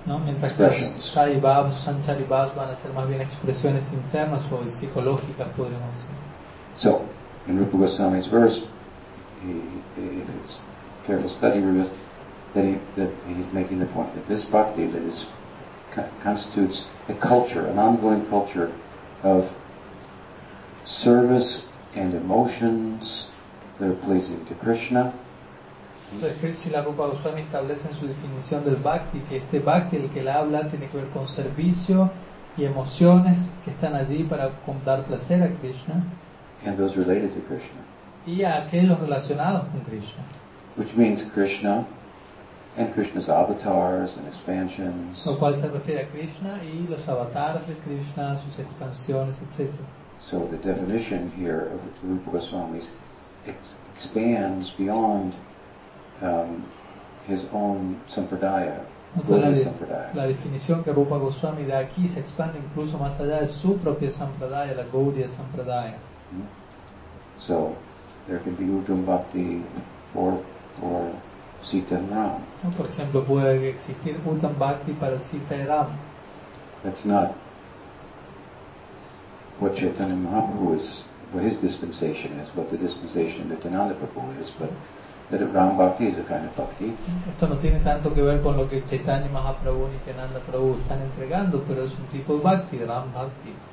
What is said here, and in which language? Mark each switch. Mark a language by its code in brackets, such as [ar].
[es] No, mientras que sthayi bhavas, sanchari bhavas van a ser más bien expresiones internas o psicológicas, podríamos decir. [en] So, in Rupa Goswami's verse, if it's careful study reveals that he's making the point that this bhakti that is constitutes a culture, an ongoing culture of service and emotions that are pleasing to Krishna. [es] Si la Rupa Goswami establece en su definición del bhakti que este bhakti el que la habla tiene que ver con servicio y emociones que están allí para dar placer a Krishna. [en] And those related to Krishna. [es] Y a aquellos relacionados con Krishna. [en] Which means Krishna and Krishna's avatars and expansions. [es] Lo cual se refiere a Krishna y los avatars de Krishna, sus expansiones, etc. [en] So the definition here of Rupa Goswami expands beyond his own sampradaya. [es] La definición que Rupa Goswami da aquí se expande incluso más allá de su propia sampradaya, la Gaudiya sampradaya. [en] So there can be Uttam Bhakti for Sita and Ram. [es] Por ejemplo, puede existir Uttam Bhakti para Sita y Ram. [en] That's not what Chaitanya Mahaprabhu is, what his dispensation is, what the dispensation of Nityananda Prabhu is, but that Ram Bhakti is a kind of bhakti. [es] Esto no tiene tanto que ver con lo que Chaitanya Mahaprabhu y Nityananda Prabhu están entregando, pero es un tipo de bhakti, Ram Bhakti.